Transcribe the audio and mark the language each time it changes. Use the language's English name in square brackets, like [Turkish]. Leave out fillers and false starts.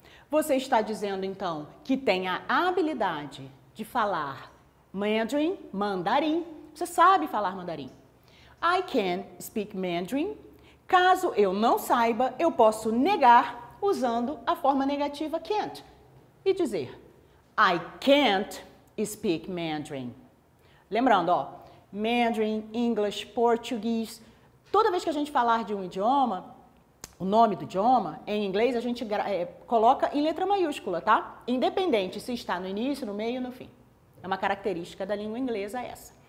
[Portuguese] Você está dizendo, então, que tem a habilidade de falar Mandarin, mandarim. Você sabe falar mandarim. [English] I can speak Mandarin. [Portuguese] Caso eu não saiba, eu posso negar usando a forma negativa can't. E dizer, [English] I can't speak Mandarin. [Portuguese] Lembrando, ó, Mandarin, English, Português. Toda vez que a gente falar de um idioma, o nome do idioma, em inglês, a gente coloca em letra maiúscula, tá? Independente se está no início, no meio ou no fim. É uma característica da língua inglesa essa.